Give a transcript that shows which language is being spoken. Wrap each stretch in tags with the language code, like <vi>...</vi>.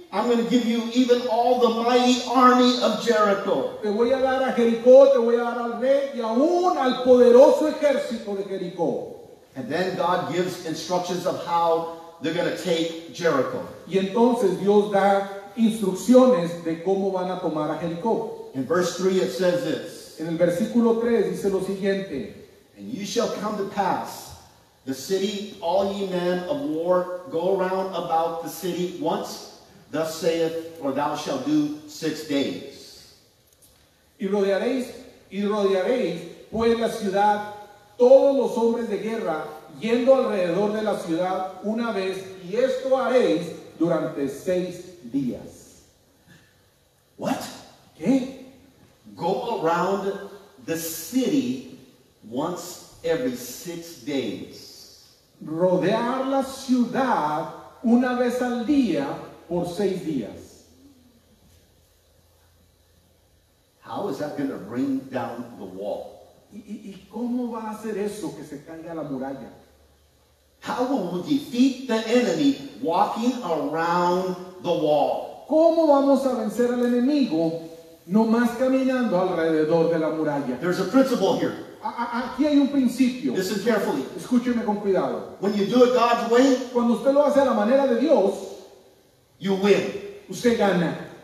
<en>I'm going to give you even all the mighty army of Jericho.</en> <es>Te voy a dar a Jericó, te voy a dar al rey y aún al poderoso ejército de Jericó.</es> <en>And then God gives instructions of how they're going to take Jericho.</en> <es>Y entonces Dios da instrucciones de cómo van a tomar a Jericó.</es> <en>In verse 3 it says this.</en> <es>En el versículo 3 dice lo siguiente.</es> <en>And you shall come to pass. The city, all ye men of war, go round about the city once, thus saith, for thou shalt do 6 days.</en> <es>Y rodearéis, pues la ciudad, todos los hombres de guerra, yendo alrededor de la ciudad una vez, y esto haréis durante 6 días.</es> <en>What?</en> <es>¿Qué?</es> <en>Go around the city once every 6 days.</en> <es>Rodear la ciudad una vez al día por 6 días.</es> <en>How is that going to bring down the wall?</en> <es>¿Y cómo va a hacer eso que se caiga la muralla?</es> <en>How will we defeat the enemy walking around the wall?</en> <es>¿Cómo vamos a vencer al enemigo nomás caminando alrededor de la muralla?</es> <en>There's a principle here.</en> <es>Aquí hay un principio.</es> <en>Listen carefully.</en> <es>Escúcheme con cuidado.</es> <en>When you do it God's way,</en> <es>cuando usted lo hace a la manera de Dios,</es> <en>you win.</en> <es>Usted gana.</es>